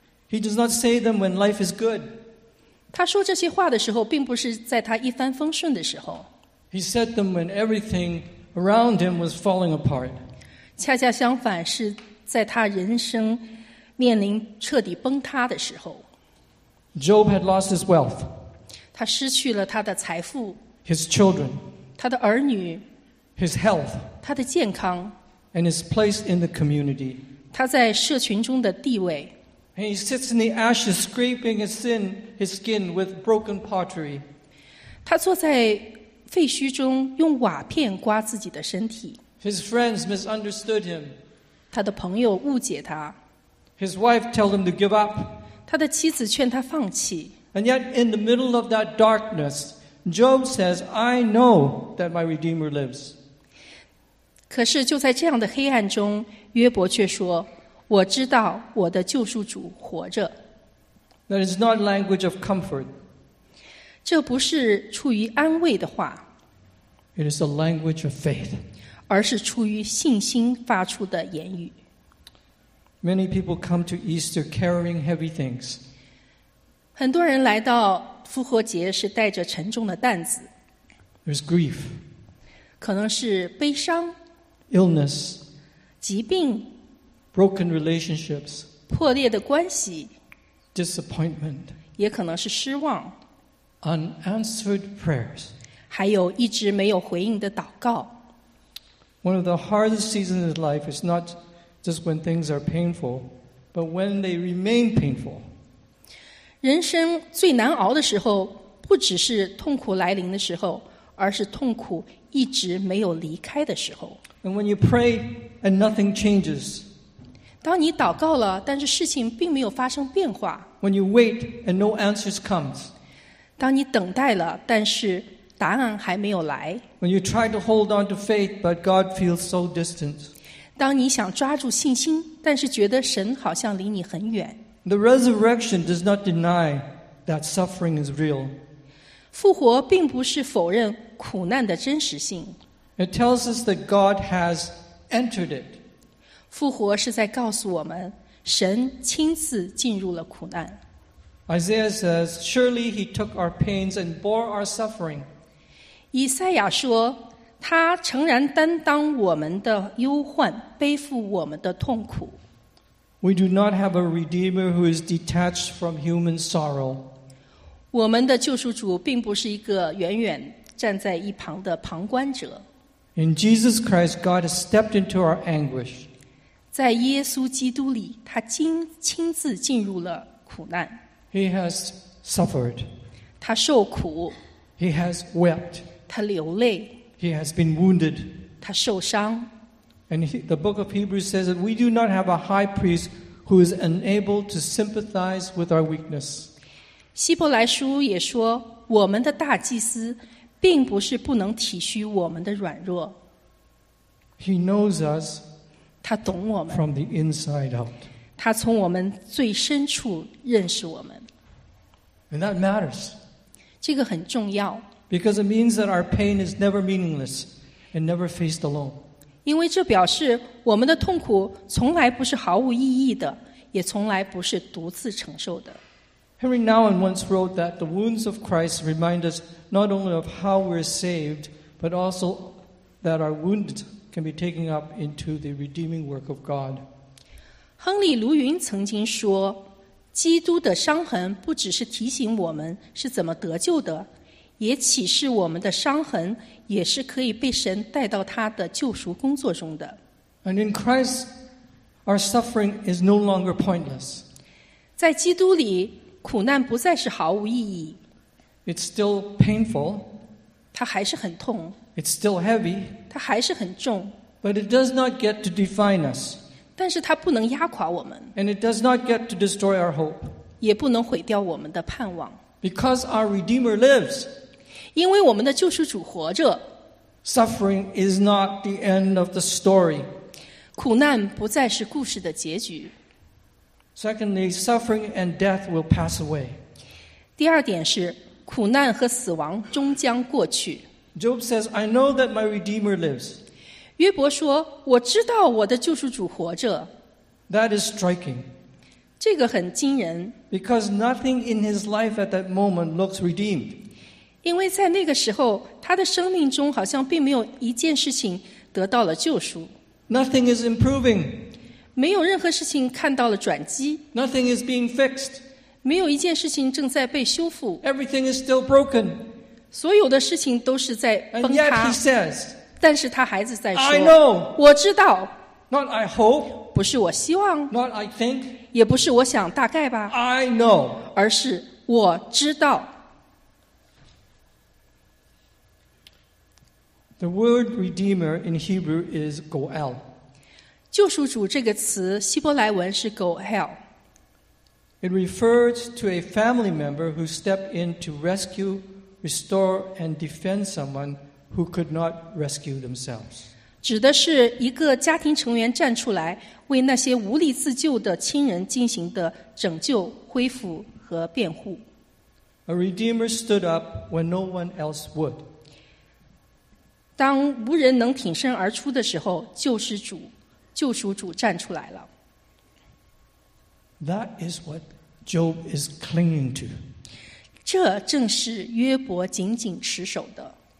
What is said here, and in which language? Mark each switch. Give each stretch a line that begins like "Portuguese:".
English: He does not say them when life is good.
Chinese: 他说这些话的时候，并不是在他一帆风顺的时候。
English: He said them when everything around him was falling apart.
Chinese: 恰恰相反，是在他人生面临彻底崩塌的时候。
English: Job had lost his wealth.
Chinese: 他失去了他的财富。
English: His children.
Chinese: 他的儿女。
English: His health,
Chinese: 他的健康,
English: and his place in the community.
Chinese: 他在社群中的地位,
English: and he sits in the ashes, scraping his skin with broken pottery.
Chinese: 他坐在废墟中用瓦片刮自己的身体,
English: his friends misunderstood him.
Chinese: 他的朋友误解他,
English: his wife told him to give up.
Chinese: 他的妻子劝他放弃,
English: and yet in the middle of that darkness,Job says, I know that my Redeemer lives.
Chinese: 可是就在这样的黑暗中，约伯却说，我知道我的救赎主活着。
English: That is not language of comfort.
Chinese: 这不是出于安慰的话。
English: It is a language of faith.
Chinese: 而是出于信心发出的言语。
English: Many people come to Easter carrying heavy things.
Chinese: 很多人来到复活节是带着沉重的担子。
English: There's grief.
Chinese: 可能是悲伤。
English: Illness.
Chinese: 疾病。
English: Broken relationships.
Chinese: 破裂的关系。
English: Disappointment.
Chinese: 也可能是失望。
English: Unanswered prayers.
Chinese: 还有一直没有回应的祷告。
English: One of the hardest seasons of life is not just when things are painful, but when they remain painful.
Chinese: 人生最难熬的时候，不只是痛苦来临的时候，而是痛苦一直没有离开的时候。
English: And when you pray and nothing changes,
Chinese: 当你祷告了，但是事情并没有发生变化。
English: When you wait and no answers comes,
Chinese: 当你等待了，但是答案还没有来。
English: When you try to hold on to faith, but God feels so distant,
Chinese: 当你想抓住信心，但是觉得神好像离你很远。
English: The resurrection does not deny that suffering is real.
Chinese: 复活并不是否认苦难的真实性。
English: It tells us that God has entered it.
Chinese: 复活是在告诉我们，神亲自进入了苦难。
English: Isaiah says, "Surely he took our pains and bore our suffering."
Chinese: 以赛亚说，他诚然担当我们的忧患，背负我们的痛苦。
English: We do not have a Redeemer who is detached from human sorrow.
Chinese: 我们的救赎主并不是一个远远站在一旁的旁观者。
English: In Jesus Christ, God has stepped into our anguish.
Chinese: 在耶稣基督里，他亲自进入了苦难。
English: He has suffered.
Chinese: 他受苦。
English: He has wept.
Chinese: 他流泪。
English: He has been wounded.
Chinese: 他受伤。
English: And the book of Hebrews says that we do not have a high priest who is unable to sympathize with our weakness.
Chinese: 希伯来书也说，我们的大祭司并不是不能体恤我们的软弱。
English: He knows us.
Chinese: 他懂我们。
English: From the inside out.
Chinese: 他从我们最深处认识我们。
English: And that matters.
Chinese: 这个很重要。
English: Because it means that our pain is never meaningless and never faced alone.
Chinese: 因为这表示我们的痛苦从来不是毫无意义的，也从来不是独自承受的。
English: Henry Nouwen once wrote that the wounds of Christ remind us not only of how we're saved, but also that our wounds can be taken up into the redeeming work of God.
Chinese: 亨利·卢云曾经说，基督的伤痕不只是提醒我们是怎么得救的，也启示我们的伤痕也是可以被神带到他的救赎工作中的。
English: And in Christ, our suffering is no longer pointless.
Chinese: 在基督里，苦难不再是毫无意义。
English: It's still painful.
Chinese: 它还是很痛。
English: It's still heavy.
Chinese: 它还是很重。
English: But it does not get to define us.
Chinese: 但是它不能压垮我们。
English: And it does not get to destroy our hope.
Chinese: 也不能毁掉我们的盼望。
English: Because our Redeemer lives.
Chinese: 因为我们的救赎主活着。
English: Suffering is not the end of the story.
Chinese: 苦难不再是故事的结局。
English: Secondly, suffering and death will pass away.
Chinese: 第二点是，苦难和死亡终将过去。
English: Job says, I know that my Redeemer lives.
Chinese: 约伯说，我知道我的救赎主活着。
English: That is striking.
Chinese: 这个很惊人。
English: Because nothing in his life at that moment looks redeemed.
Chinese: 因为在那个时候，他的生命中好像并没有一件事情得到了救赎。
English: Nothing is improving.
Chinese: 没有任何事情看到了转机。
English: Nothing is being fixed.
Chinese: 没有一件事情正在被修复。
English: Everything is still broken.
Chinese: 所有的事情都是在崩塌。
English: And yet he says,
Chinese: 但是他孩子在说，
English: I know.
Chinese: 我知道。
English: Not I hope.
Chinese: 不是我希望。
English: Not I think.
Chinese: 也不是我想大概吧，
English: I know.
Chinese: 而是我知道。
English: The word redeemer in Hebrew is goel.
Chinese: 救赎主这个词希伯来文是 goel.
English: It refers to a family member who stepped in to rescue, restore, and defend someone who could not rescue themselves.
Chinese: 指的是一个家庭成员站出来为那些无力自救的亲人进行的拯救、恢复和辩护。
English: A redeemer stood up when no one else would.
Chinese: 当无人能挺身而出的时候，救赎主站出来了。
English: That is what Job is clinging to.
Chinese: 这正是约伯紧紧持守的。